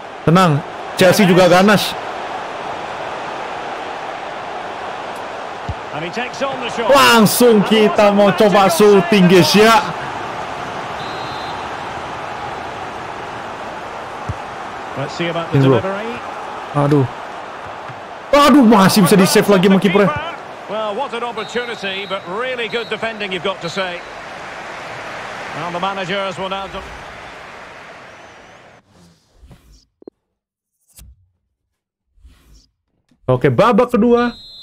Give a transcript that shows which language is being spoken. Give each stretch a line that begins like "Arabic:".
Indonesian: Tenang, Chelsea yes. Juga ganas.
English: And he takes on the shot.
Indonesian: Langsung kita mau coba shooting guys ya.
English: Let's see about the delivery.
Indonesian: Aduh. Aduh, masih bisa di-save lagi sama kipernya.
English: Well, what an opportunity, but really good defending you've got to say. Now the managers will now
Indonesian: Okay, babak kedua.